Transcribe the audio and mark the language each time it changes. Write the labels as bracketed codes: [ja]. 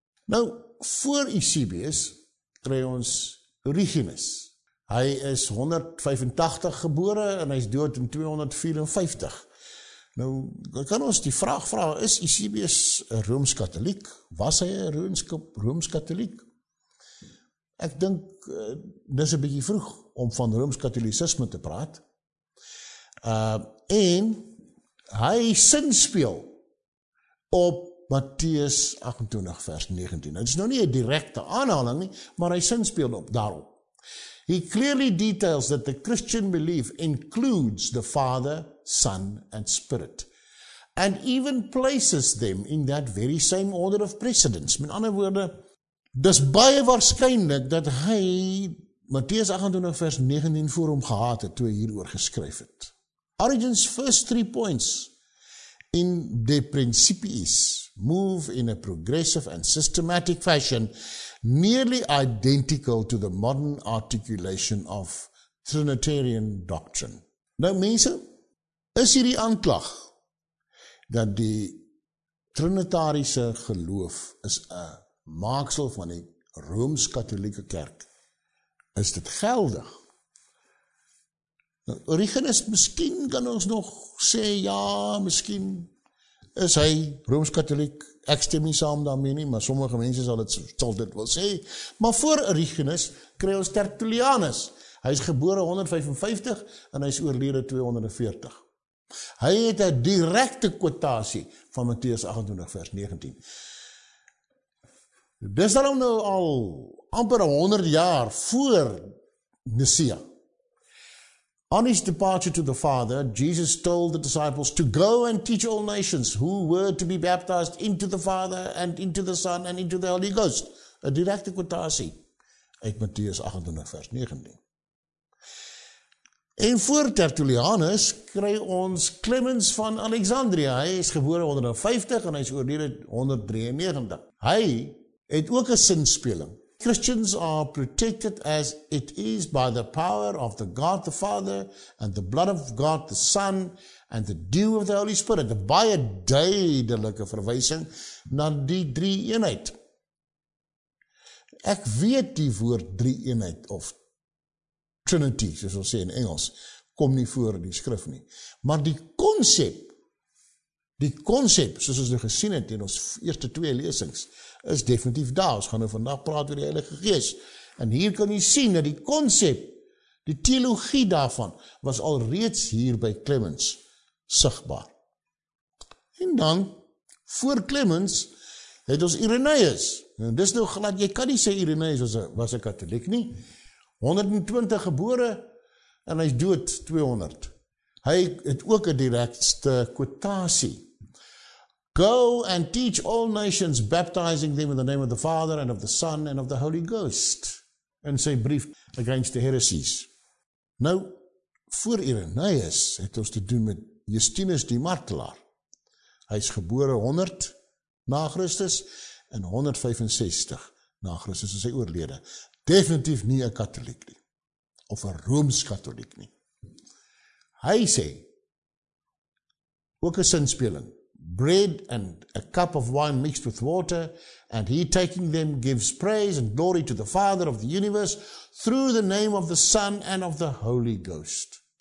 [af] Nou, voor Eusebius kry ons Origenes. Hy is 185 gebore en hy is dood in 254. Nou, kan ons die vraag vraag, is Eusebius een Rooms-Katholiek? Was hy een Rooms-Katholiek? Ek dink, dit is een bietjie vroeg om van Rooms-Katholicisme te praat. En hy sinspeel op Matteus 28 vers 19. Nou, dit is nou nie een direkte aanhaling nie, maar hy sinspeel op daarop. [en] He clearly details that the Christian belief includes the Father, Son and Spirit, and even places them in that very same order of precedence. [af] Met ander woorde, dis baie waarskynlik dat hy Matteus 28 vers 19 voor hom gehad het, toe hy hieroor geskryf het. [en] Origen's first three points in De Principiis move in a progressive and systematic fashion nearly identical to the modern articulation of Trinitarian doctrine. [af] Nou mense, is hier die aanklag dat die Trinitarische geloof is een maaksel van die Rooms-Katholieke kerk? Is dit geldig? Nou, Origenes, miskien kan ons nog sê, ja, miskien is hy Rooms-Katholiek, ek stem nie saam daarmee nie, maar sommige mense sal dit wel sê. Maar voor Origenes kry ons Tertullianus. Hy is gebore 155 en hy is oorlede 240. Hy het 'n direkte kwotasie van Matteus 28 vers 19. Dis daarom nou al amper 100 jaar voor Messia. [en] On his departure to the Father, Jesus told the disciples to go and teach all nations who were to be baptized into the Father and into the Son and into the Holy Ghost. [af] 'N direkte kwotasie uit Matteus 28 vers 19. En voor Tertullianus kry ons Clemens van Alexandria. Hy is gebore 150 en hy is oorlede 193. Hy het ook 'n sinspeling [en] Christians are protected as it is by the power of the God the Father and the blood of God the Son and the dew of the Holy Spirit. [af] Dit baie duidelike verwysing na die drie eenheid. Ek weet die woord drie eenheid of Trinity, soos ons sê in Engels, kom nie voor in die skrif nie. Maar die concept, soos ons nou gesien het in ons eerste twee lesings, is definitief daar. Ons gaan nou vandag praat oor die Heilige Gees. En hier kan jy sien dat die concept, die theologie daarvan, was al reeds hier by Clemens sigbaar. En dan, voor Clemens, het ons Irenaeus. En dis nou glad, jy kan nie sê Irenaeus was 'n katholiek nie. 120 gebore en hy is dood 200. Hy het ook 'n direkste kwotasie. [en] Go and teach all nations, baptizing them in the name of the Father and of the Son and of the Holy Ghost. [af] En sy brief [en] against the heresies. [af] Nou, voor Irenaeus het ons te doen met Justinus die Martelaar. Hy is gebore 100 na Christus en 165 na Christus is hy oorlede. Definitief nie 'n katholiek nie, of 'n Rooms-katholiek nie. Hy sê, ook 'n sinspeling, [en] bread and a cup of wine mixed with water, and he taking them gives praise and glory to the Father of the universe through the name of the Son and of the Holy Ghost.